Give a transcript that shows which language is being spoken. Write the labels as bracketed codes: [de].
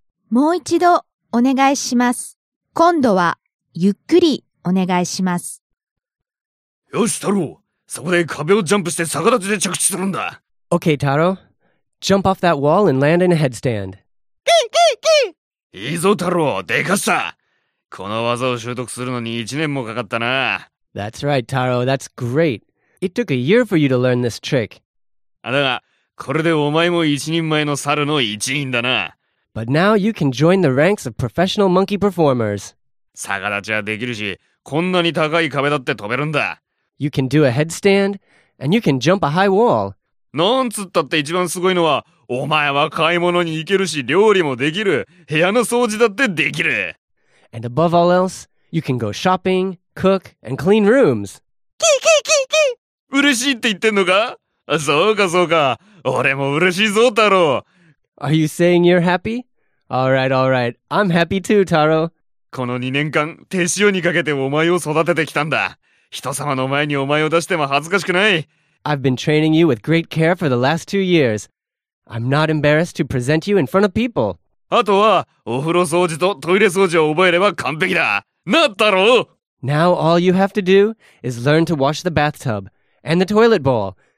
[ja] もう一度お願いします。今度はゆっくりお願いします。よし、太郎。そこで壁をジャンプして逆立ちで着地するんだ。 OK, 太郎。 [en] Jump off that wall and land in a headstand. キンキンキン。 [ja] いいぞ、太郎。でかした。この技を習得するのに1年もかかったな。 [en] That's right, 太郎.That's great. It took a year for you to learn this trick. [ja] あ、だが、これでお前も一人前の猿の一員だな。 [en] But now you can join the ranks of professional monkey performers. [ja] 逆立ちはできるし、こんなに高い壁だって飛べるんだ。 [en] You can do a headstand, and you can jump a high wall. [ja] なんつったって一番すごいのは、お前は買い物に行けるし、料理もできる。部屋の掃除だってできる。 [en] And above all else, you can go shopping, cook, and clean rooms. キーキーキーキー。 [ja] 嬉しいって言ってんのか？そうかそうか。俺も嬉しいぞ、太郎。 [en] Are you saying you're happy? Alright, alright. I'm happy too, Taro. [ja] この2年間、手塩にかけてお前を育ててきたんだ。人様の前にお前を出しても恥ずかしくない。 [en] I've been training you with great care for the last 2 years. I'm not embarrassed to present you in front of people. [ja] あとはお風呂掃除とトイレ掃除を覚えれば完璧だ。なったろ。 [en] Now all you have to do is learn to wash the bathtub and the toilet bowl.